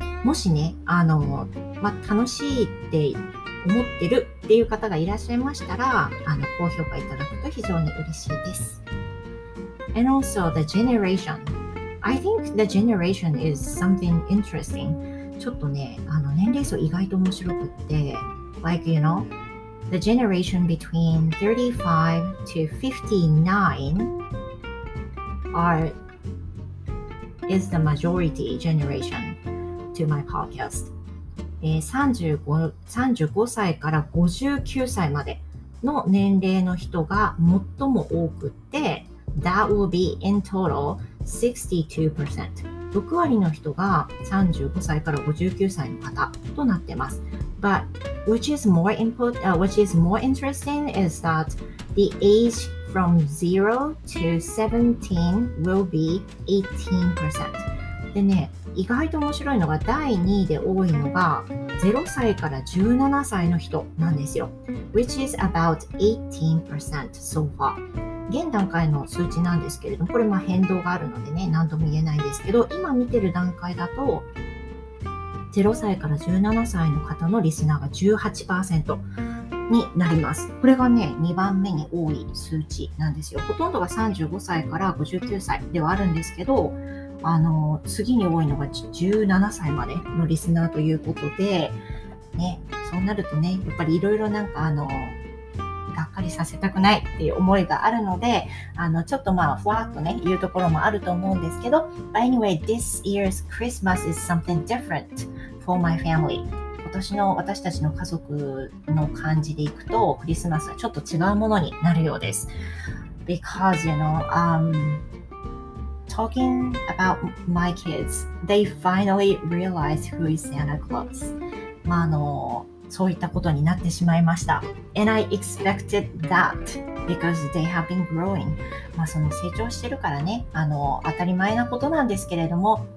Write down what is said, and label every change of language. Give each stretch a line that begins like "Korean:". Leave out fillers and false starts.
Japanese: もしね、楽しいって思ってるっていう方がいらっしゃいましたら、高評価いただくと非常に嬉しいです。
English: And also the generation. I think the generation is something interesting.
Japanese: ちょっとね、年齢層意外と面白くって、
English: like, you know,The generation between 35 to 59 is the majority generation to my podcast.
Japanese: 35歳から59歳までの年齢の人が最も多くって
English: That will be in total 62%.
Japanese: 6割の人が35歳から59歳の方となってます。
English: But which is more important, which is more interesting is that the age from 0 to 17 will be 18%.
Japanese: でね、意外と面白いのが第2位で多いのが0歳から17歳の人なんですよ。
English: Which is about 18% so far.
Japanese: 現段階の数値なんですけれども、これまあ変動があるのでね、何とも言えないですけど、今見てる段階だと0歳から17歳の方のリスナーが 18% になります。これがね、2番目に多い数値なんですよ。ほとんどが35歳から59歳ではあるんですけど、次に多いのが17歳までのリスナーということで、ね、そうなるとね、やっぱりいろいろなんかがっかりさせたくないっていう思いがあるので、ちょっとまあふわっとね言うところもあると思うんですけど、
English: But anyway, this year's Christmas is something different for my family.
Japanese: 今年の私たちの家族の感じでいくと、クリスマスはちょっと違うものになるようです。
English: Because you know, talking about my kids, they finally realized who is Santa Claus.
Japanese: まあそういったことになってしまいました。
English: And I expected that because they have been growing.
Japanese: まあその成長してるからね、当たり前なことなんですけれども、